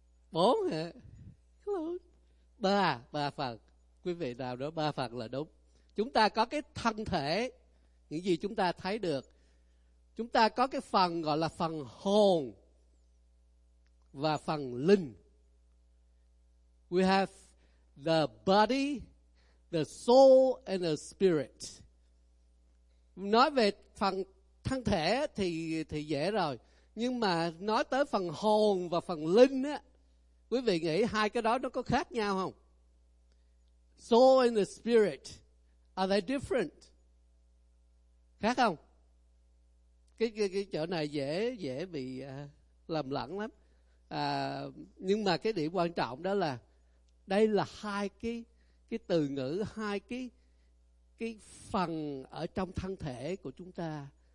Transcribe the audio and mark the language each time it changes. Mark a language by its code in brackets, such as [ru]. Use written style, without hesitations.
[vi] 4 hả? 3 phần. Quý vị nào đó 3 phần là đúng. Chúng ta có cái thân thể, những gì chúng ta thấy được. Chúng ta có cái phần gọi là phần hồn và phần linh. [en] We have the body, the soul and the spirit. [vi] Nói về phần thân thể thì dễ rồi. Nhưng mà nói tới phần hồn và phần linh á, quý vị nghĩ hai cái đó nó có khác nhau không? [en] Soul and the spirit, are they different? [vi] Khác không? Cái chỗ này dễ bị lầm lẫn lắm. Nhưng mà cái điểm quan trọng đó là đây là hai cái từ ngữ, hai cái phần ở trong thân thể của chúng ta.